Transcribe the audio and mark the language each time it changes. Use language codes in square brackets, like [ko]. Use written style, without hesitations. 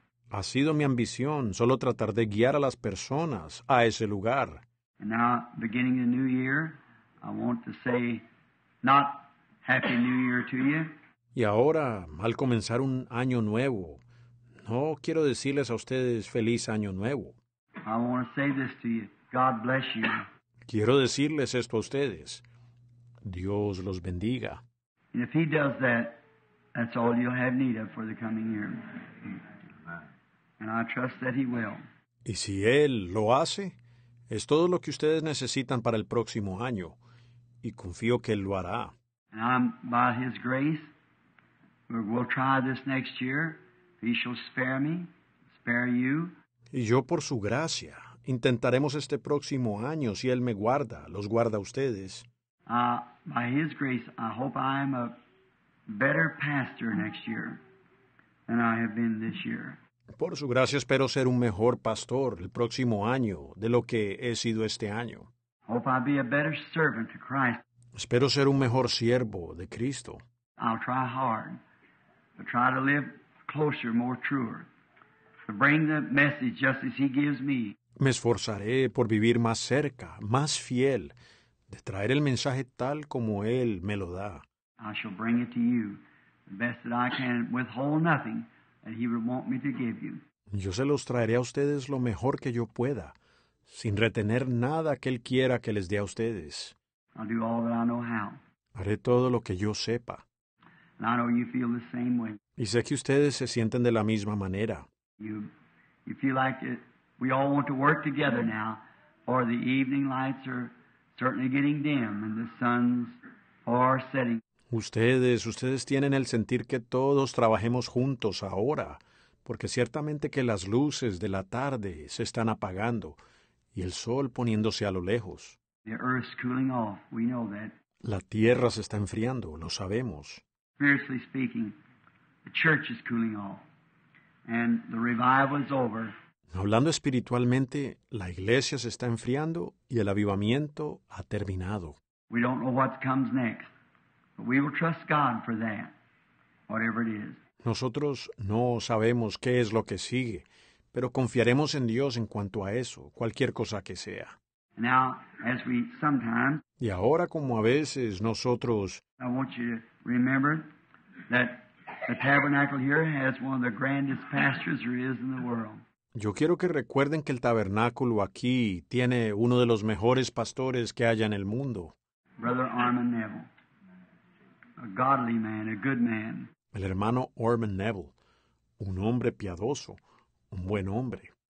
[es] Ha sido mi ambición solo tratar de guiar a las personas a ese lugar. [en] And now, beginning the new year, I want to say not happy new year to you. [es] Y ahora, al comenzar un año nuevo, no quiero decirles a ustedes feliz año nuevo. [en] I want to say this to you. God bless you. [es] Quiero decirles esto a ustedes. Dios los bendiga. [en] And if he does that, that's all you'll have need of for the coming year. And I trust that he will. [es] Y si él lo hace, es todo lo que ustedes necesitan para el próximo año. Y confío que él lo hará. [en] And I'm by his grace. We'll try this next year. He shall spare me, spare you. [es] Y yo por su gracia. Intentaremos este próximo año si Él me guarda, los guarda a ustedes. [en] By His grace, I hope I am a better pastor next year than I have been this year. [es] Por su gracia, espero ser un mejor pastor el próximo año de lo que he sido este año. [en] Hope I'll be a better servant to Christ. [es] Espero ser un mejor siervo de Cristo. [en] I'll try hard, but try to live closer, more truer, to bring the message just as He gives me. [es] Me esforzaré por vivir más cerca, más fiel, de traer el mensaje tal como Él me lo da. [en] I shall bring it to you the best that I can, withhold nothing that He would want me to give you. [es] Yo se los traeré a ustedes lo mejor que yo pueda, sin retener nada que Él quiera que les dé a ustedes. [en] I'll do all that I know how. [es] Haré todo lo que yo sepa. [en] And I know you feel the same way. [es] Y sé que ustedes se sienten de la misma manera. [en] You feel like it. We all want to work together now, for the evening lights are certainly getting dim and the sun's far setting. [es] Ustedes tienen el sentir que todos trabajemos juntos ahora, porque ciertamente que las luces de la tarde se están apagando y el sol poniéndose a lo lejos. [en] The earth's cooling off, we know that. [es] La tierra se está enfriando, lo sabemos. [en] Spiritually speaking, the church is cooling off and the revival is over. [es] Hablando espiritualmente, la iglesia se está enfriando y el avivamiento ha terminado. [en] We don't know what comes next, but we will trust God for that, whatever it is. [es] Nosotros no sabemos qué es lo que sigue, pero confiaremos en Dios en cuanto a eso, cualquier cosa que sea. [en] Now, as we sometimes, [es] y ahora como a veces nosotros, [en] I want you to remember that the tabernacle here has one of the grandest pastures there is in the world. [es] Yo quiero que recuerden que el tabernáculo aquí tiene uno de los mejores pastores que haya en el mundo. [en] Brother Armand Neville, a godly man, a good man. [es] El hermano Armand Neville, un hombre piadoso, un buen hombre.